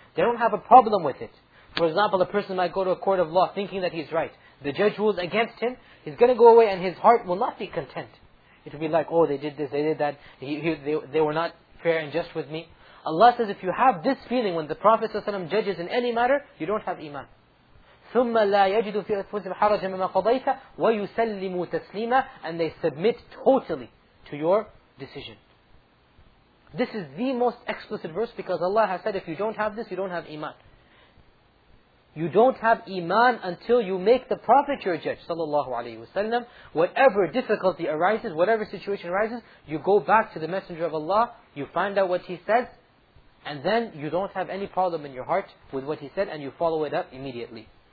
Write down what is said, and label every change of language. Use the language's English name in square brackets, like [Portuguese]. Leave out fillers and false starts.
[English] They don't have a problem with it. For example, a person might go to a court of law thinking that he's right. The judge rules against him, he's going to go away and his heart will not be content. It will be like, oh, they did this, they did that, they were not fair and just with me. Allah says, if you have this feeling when the Prophet ﷺ judges in any matter, you don't have iman. [Arabic] ثُمَّ لَا يَجِدُ فِي أَنفُسِهِمْ حَرَجًا مِمَّا قَضَيْتَ وَيُسَلِّمُوا تَسْلِيمًا, [English] and they submit totally to your decision. This is the most explicit verse, because Allah has said, if you don't have this, you don't have iman. You don't have iman until you make the Prophet your judge, sallallahu alaihi wasallam. Whatever difficulty arises, whatever situation arises, you go back to the Messenger of Allah, you find out what he says, and then you don't have any problem in your heart with what he said, and you follow it up immediately.